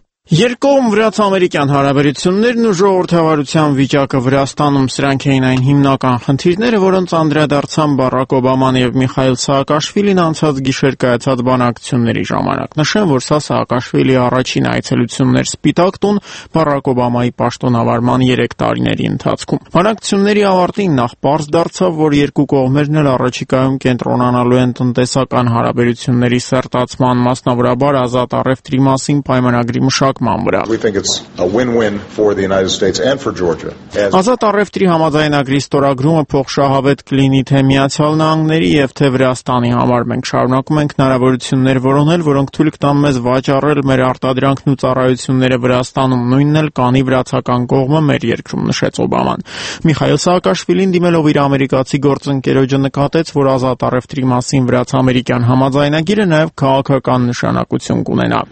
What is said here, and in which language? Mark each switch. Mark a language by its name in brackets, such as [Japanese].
[Armenian] Երկողմ վրաց-ամերիկյան հարաբերություններն ու ժողովրդավարության վիճակը Վրաստանում սրանք էին այն հիմնական խնդիրները, որոնց անդրադարձան Բարակ Օբաման և Միխայել Սահակաշվիլին անցած գիշեր կայացած բանակցությունների ժամանակ։ Նշեմ, որ սա Սահակաշվիլի առաջին այցելությունն էր Սպիտակ տուն Բարակ Օբամայի պաշտոնավարման 3 տարիների ընթացքում։ Բանակցությունների ավարտին նախ պարզ դարձավ, որ երկու կողմերն էլ առաջիկայում կենտրոնանալու են տնտեսական հարաբերությունների սերտացման, մասնավորաբար ազատ առևտրի մասին պայմանագրի մշակման վրա։ [English] We think it's a win-win for the United States and for Georgia. [Armenian] Ազատ առևտրի համաձայնագրի ստորագրումը փոխշահավետ կլինի թե Միացյալ Նահանգների և թե Վրաստանի համար։ Մենք շարունակում ենք հնարավորություններ որոնել, որոնք թույլ կտան մեզ վաճառել մեր արտադրանքն ու ծառայությունները Վրաստանում, նույնն էլ կանի վրացական կողմը մեր երկրում, նշեց Օբաման։ Միխայել Սահակաշվիլին դիմելով իր ամերիկացի գործընկերոջը նկատեց, որ ազատ առևտրի մասին վրաց-ամերիկյան համաձայնագիրը նաև քաղաքական նշանակություն կունենա։